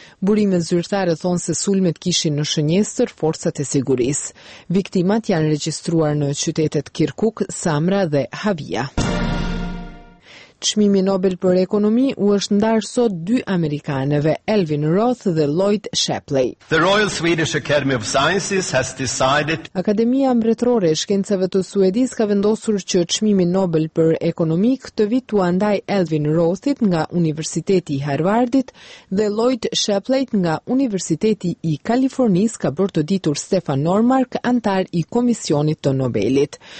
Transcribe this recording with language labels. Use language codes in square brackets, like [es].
[sq] Burimet zyrtare thonë se sulmet kishin në shënjestër forcat e sigurisë. Viktimat janë regjistruar në qytetet Kirkuk, Samra dhe Hawija. Çmimi Nobel për ekonomi u është ndarë sot dy Amerikaneve, Alvin Roth dhe Lloyd Shapley. [en] The Royal Swedish Academy of Sciences has decided... [sq] Akademia Mbretërore e Shkencave të Suedis ka vendosur që çmimin Nobel për ekonomi këtë vit u andaj Alvin Rothit nga Universiteti i Harvardit dhe Lloyd Shapley nga Universiteti i Kalifornisë, ka bërë të ditur Stefan Normark, antar i Komisionit të Nobelit.